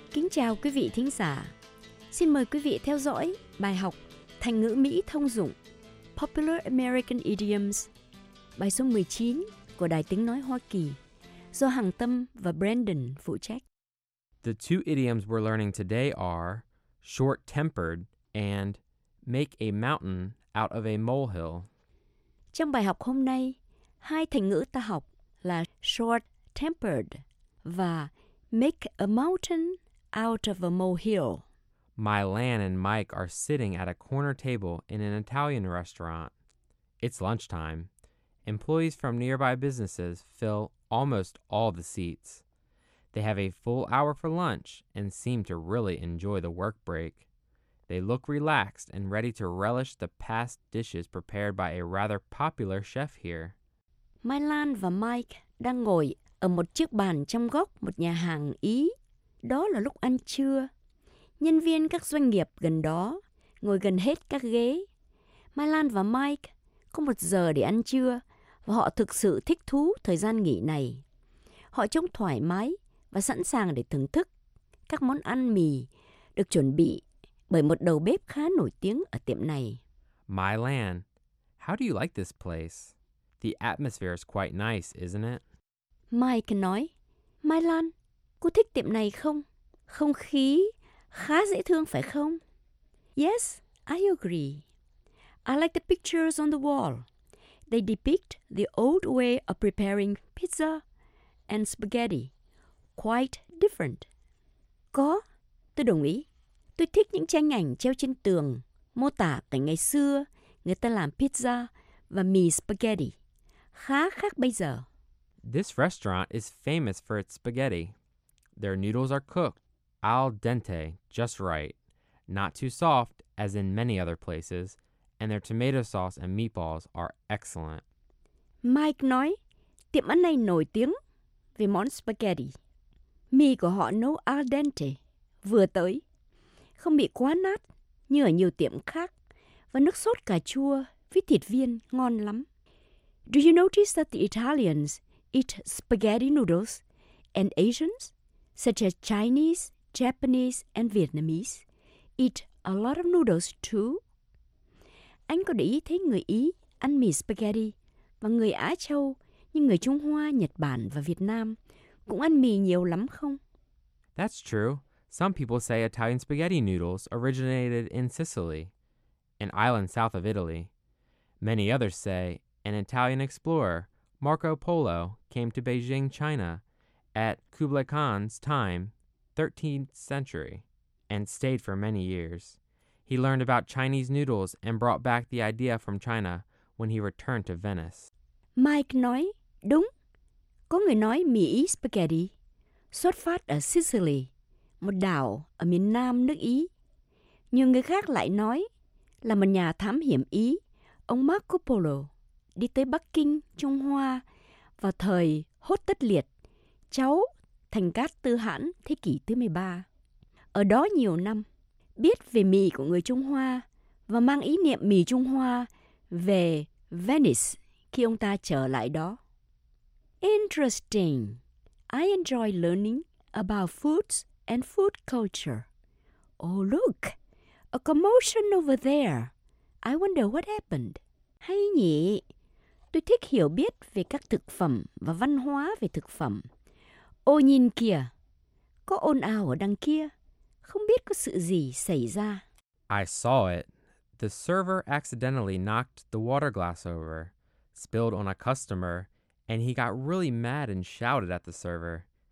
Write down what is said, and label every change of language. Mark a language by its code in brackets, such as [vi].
[vi] chào quý vị thính giả. Xin mời quý vị theo dõi bài học Thành ngữ Mỹ thông dụng [en] Popular American Idioms, [vi] bài số 19 của Đài Tiếng Nói Hoa Kỳ, do Hằng Tâm và Brandon phụ trách. [en] The two idioms we're learning today are short-tempered and make a mountain out of a molehill. [vi] Trong bài học hôm nay, hai thành ngữ ta học là short-tempered và [en] make a mountain out of a molehill. Mylan and Mike are sitting at a corner table in an Italian restaurant. It's lunchtime. Employees from nearby businesses fill almost all the seats. They have a full hour for lunch and seem to really enjoy the work break. They look relaxed and ready to relish the past dishes prepared by a rather popular chef here. [vi] Mylan và Mike đang ngồi ở một chiếc bàn trong góc một nhà hàng Ý. Đó là lúc ăn trưa. Nhân viên các doanh nghiệp gần đó ngồi gần hết các ghế. Mylan và Mike có một giờ để ăn trưa và họ thực sự thích thú thời gian nghỉ này. Họ trông thoải mái và sẵn sàng để thưởng thức các món ăn mì được chuẩn bị bởi một đầu bếp khá nổi tiếng ở tiệm này. [en] Mylan, how do you like this place? The atmosphere is quite nice, isn't it? [vi] Mike nói, Mylan, cô thích tiệm này không? Không khí khá dễ thương phải không? [en] Yes, I agree. I like the pictures on the wall. They depict the old way of preparing pizza and spaghetti. Quite different. [vi] Có, tôi đồng ý. Tôi thích những tranh ảnh treo trên tường mô tả cảnh ngày xưa người ta làm pizza và mì spaghetti. Khá khác bây giờ. [en] This restaurant is famous for its spaghetti. Their noodles are cooked al dente, just right. Not too soft, as in many other places. And their tomato sauce and meatballs are excellent. [vi] Mike nói, tiệm ăn này nổi tiếng vì món spaghetti. Mì của họ nấu al dente, vừa tới. Không bị quá nát như ở nhiều tiệm khác. Và nước sốt cà chua với thịt viên ngon lắm. [en] Do you notice that the Italians eat spaghetti noodles and Asians, such as Chinese, Japanese and Vietnamese, eat a lot of noodles too? [vi] Anh có để ý thấy người Ý ăn mì spaghetti và người Á Châu như người Trung Hoa, Nhật Bản và Việt Nam cũng ăn mì nhiều lắm không? [en] That's true. Some people say Italian spaghetti noodles originated in Sicily, an island south of Italy. Many others say an Italian explorer, Marco Polo, came to Beijing, China at Kublai Khan's time, 13th century, and stayed for many years. He learned about Chinese noodles and brought back the idea from China when he returned to Venice. [vi] Mike nói, đúng. Có người nói mì Ý spaghetti xuất phát ở Sicily, một đảo ở miền nam nước Ý. Nhiều người khác lại nói là một nhà thám hiểm Ý, ông Marco Polo, đi tới Bắc Kinh, Trung Hoa vào thời Hốt Tất Liệt, cháu Thành Cát Tư Hãn thế kỷ thứ 13. Ở đó nhiều năm, biết về mì của người Trung Hoa và mang ý niệm mì Trung Hoa về Venice khi ông ta trở lại đó. [en] Interesting. I enjoy learning about foods and food culture. Oh, look. A commotion over there. I wonder what happened. [vi] Hay nhỉ? Tôi thích hiểu biết về các thực phẩm và văn hóa về thực phẩm. Ô nhìn kìa. Có ồn ào ở đằng kia. Không biết có sự gì xảy ra. [en] I saw it. The server accidentally knocked the water glass over, spilled on a customer, and he got really mad and shouted at the server.